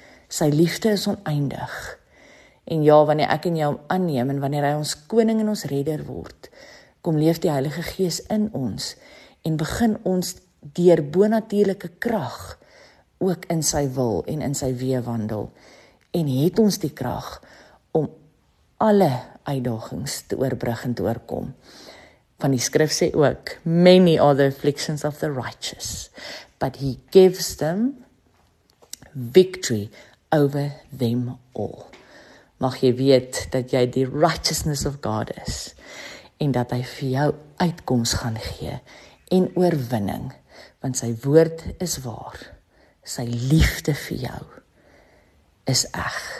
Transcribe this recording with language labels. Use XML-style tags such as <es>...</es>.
<af>Sy liefde is oneindig. En ja, wanneer ek en jou hom aanneem en wanneer hy ons koning en ons redder word, kom leef die Heilige Gees in ons en begin ons deur bonatuurlike krag ook in sy wil en in sy weë wandel en het ons die krag om alle uitdagings te oorbrug en te oorkom. Van die skrif sê ook,</af> <en>many are the afflictions of the righteous, but he gives them victory over them all.</en> <af>Mag jy weet dat jy die</af> <en>righteousness of God</en> <af>is en dat hy vir jou uitkoms gaan gee en oorwinning, want sy woord is waar, sy liefde vir jou is eg.</af>